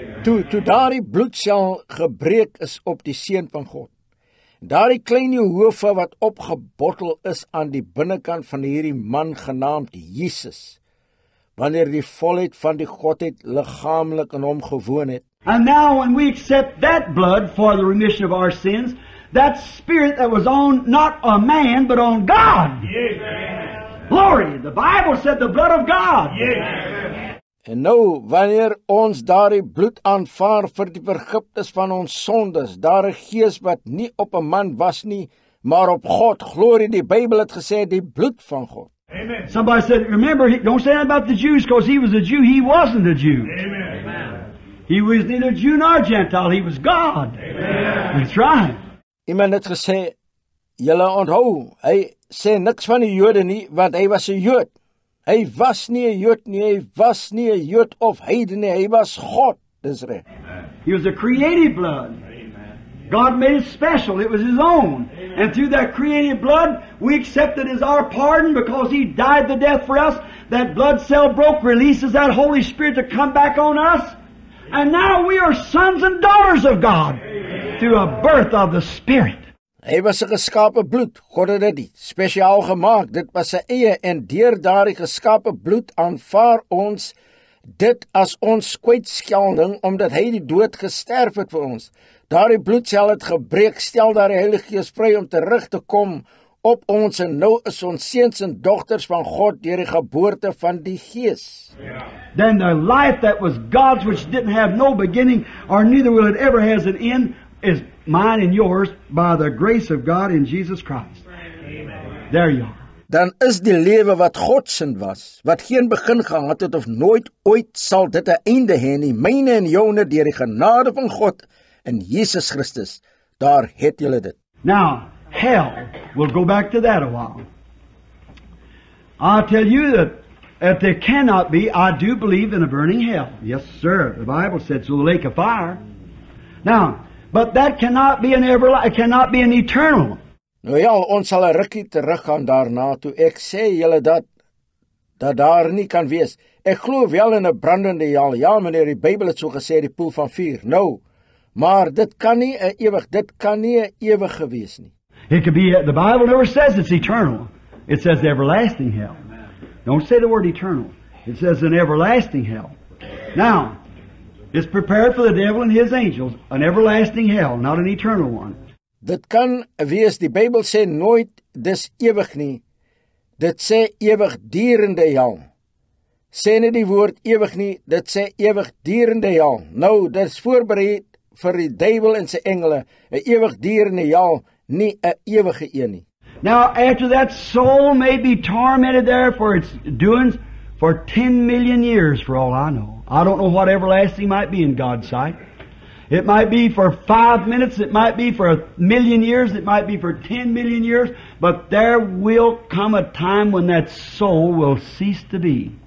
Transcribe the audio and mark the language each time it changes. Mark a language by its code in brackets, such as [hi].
[af] Toe daardie bloedsel gebreek is op die Seun van God, daardie klein Jehovah wat opgebottel is aan die binnenkant van hierdie man genaamd Jesus, wanneer die volheid van die Godheid lichamelijk in hom gewoon het. [en] And now when we accept that blood for the remission of our sins, that spirit that was on not a man, but on God. Amen. Glory! The Bible said the blood of God. Amen. [af] En nou, wanneer ons daardie bloed aanvaar vir die vergifnis van ons sondes, daardie gees wat nie op 'n man was nie, maar op God, glory, die Bybel het gesê, die bloed van God. Amen. [en] Somebody said, remember, don't say that about the Jews, because he was a Jew, he wasn't a Jew. Amen. He was neither Jew nor Gentile, he was God. Amen. That's right. [af] Iemand het gesê, julle onthou, hy sê niks van die Jode nie, want hy was 'n Jood. Hy was nie 'n Jood nie, hy was nie 'n Jood of heiden nie, hy was God. Dis reg. [en] He was a created blood. Amen. God made it special, it was his own. Amen. And through that created blood, we accept it as our pardon because he died the death for us. That blood cell broke, releases that Holy Spirit to come back on us. And now we are sons and daughters of God. Through a birth of the Spirit. [af] Hy was 'n geskape bloed. God het dit spesiaal gemaak. Dit was sy eie. En deur daardie geskape bloed aanvaar ons dit as ons kwytskelding, omdat hy die dood gesterf het vir ons. Daardie bloedsel het gebreek, stel daardie Heilige Gees vry om terug te kom op ons. En nou is ons seuns en dogters van God deur die geboorte van die Gees. [en] Yeah. Then the life that was God's, which didn't have no beginning, or neither will it ever has an end, is mine and yours by the grace of God in Jesus Christ. Amen. There you are. [af] Dan is die lewe wat God sin was, wat geen begin gehad het of nooit ooit sal dit 'n einde hê nie, myne en joune deur die genade van God in Jesus Christus. Daar het julle dit. [en] Now, hell, we'll go back to that a while. I tell you that if there cannot be, I do believe in a burning hell. Yes, sir. The Bible said so, the lake of fire. Now, but that cannot be an everlasting, cannot be an eternal. [af] Nou ja, ons sal 'n rukkie teruggaan daarna toe. Ek sê julle dat daar nie kan wees. Ek glo wel in 'n brandende hel. Ja, meneer, die Bybel het so gesê, die poel van vuur. Nou, maar dit kan nie 'n ewig gewees nie. [en] It could be, the Bible never says it's eternal. It says the everlasting hell. Don't say the word eternal. It says an everlasting hell. Now, it's prepared for the devil and his angels, an everlasting hell, not an eternal one. [af] Dit kan wees, die Bybel sê nooit dis ewig nie. Dit sê ewig durende hel. Sê nie die woord ewig nie, dit sê ewig durende hel. Nou, dit is voorberei vir die duivel en sy engele, 'n ewig durende hel, nie 'n ewige een nie. [en] Now, after that soul may be tormented there for its doings for 10 million years, for all I know. I don't know what everlasting might be in God's sight. It might be for 5 minutes, it might be for 1 million years, it might be for 10 million years, but there will come a time when that soul will cease to be.